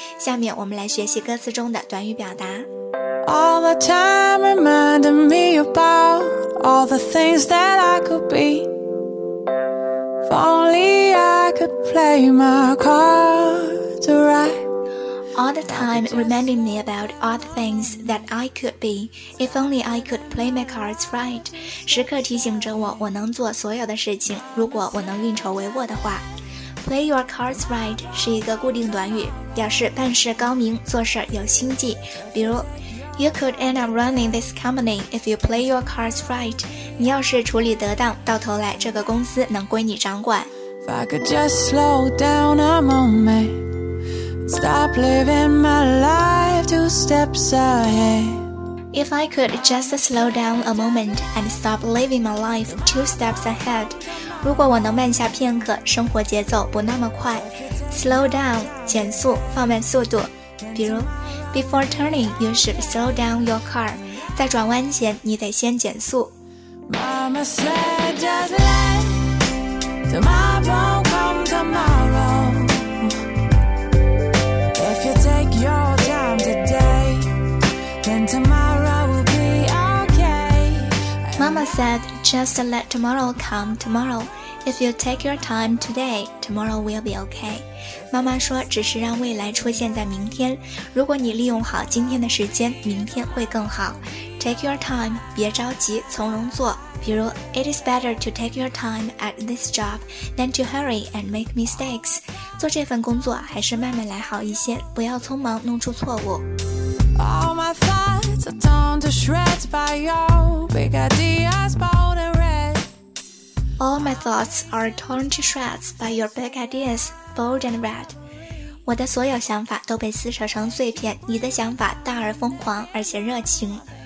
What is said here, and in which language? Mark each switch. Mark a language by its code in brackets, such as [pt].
[zh] 下面我们来学习歌词中的短语表达。 [en] All the time reminding me about all the things that I could be. If only I could play my cards right. all the time reminding me about all the things that I could be if only I could play my cards right. [zh] 时刻提醒着我，我能做所有的事情，如果我能运筹帷幄的话。 [en] Play your cards right [zh] 是一个固定短语，表示办事高明，做事有心计。比如 [en] ，You could end up running this company if you play your cards right. [zh] 你要是处理得当，到头来这个公司能归你掌管。 [en] If I could just slow down a moment, stop living my life two steps ahead. If I could just slow down a moment and stop living my life two steps ahead. [zh] 如果我能慢下片刻，生活节奏不那么快。 [en] Slow down [zh] 减速，放慢速度。比如 [en] Before turning you should slow down your car， [zh] 在转弯前你得先减速。 [en] Mama said just let tomorrow come tomorrow。 If you take your time today then tomorrow will be okay。 Mama said just let tomorrow come tomorrow。 If you take your time today, tomorrow will be okay. [zh] 妈妈说只是让未来出现在明天，如果你利用好今天的时间，明天会更好。 [en] Take your time, [zh] 别着急，从容做。比如 [en] It is better to take your time at this job than to hurry and make mistakes. [zh] 做这份工作还是慢慢来好一些，不要匆忙弄出错误。 [en] All my thoughts are torn to shreds by your big ideas bold and red. All my thoughts are torn to shreds by your big ideas, bold and red. [zh] 我的所有想法都被撕扯成碎片，你的想法大而疯狂，而且热情。